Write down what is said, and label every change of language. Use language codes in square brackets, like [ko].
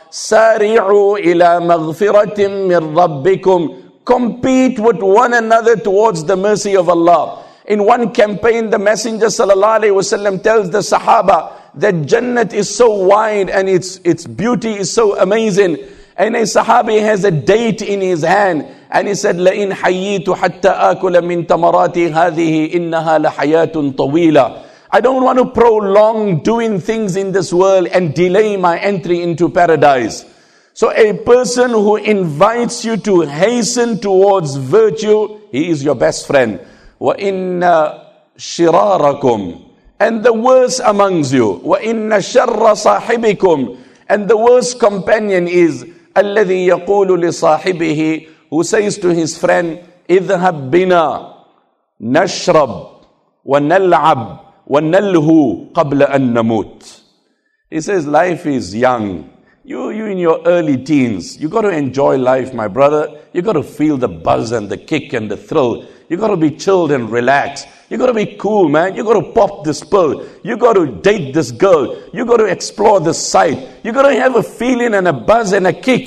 [ar] سَارِعُوا إِلَى مَغْفِرَةٍ مِّن رَبِّكُمْ, [en] compete with one another towards the mercy of Allah. In one campaign, the Messenger sallallahu alayhi wa sallam tells the Sahaba that Jannat is so wide and its beauty is so amazing. And a Sahabi has a date in his hand. And he said, [ar] لَئِنْ حَيِّيتُ حَتَّى أَكُلَ مِنْ تَمَرَاتِ هَذِهِ إِنَّهَا لَحَيَاةٌ طَوِيلًا. [en] I don't want to prolong doing things in this world and delay my entry into paradise. So a person who invites you to hasten towards virtue, he is your best friend. [ar] وَإِنَّ شِرَارَكُمْ, [en] and the worst amongst you. [ar] وَإِنَّ شَرَّ صَاحِبِكُمْ, [en] and the worst companion is [ar] الَّذِي يَقُولُ لِصَاحِبِهِ, [en] who says to his friend, [ar] اِذْهَبْ بِنَا نَشْرَبْ وَنَلْعَبْ وَنَلْهُ قَبْلَ أَن نَمُوتْ. [en] He says, life is young. You in your early teens, you got to enjoy life, my brother. You got to feel the buzz and the kick and the thrill. You got to be chilled and relaxed. You got to be cool, man. You got to pop this pill. You got to date this girl. You got to explore this site. You got to have a feeling and a buzz and a kick.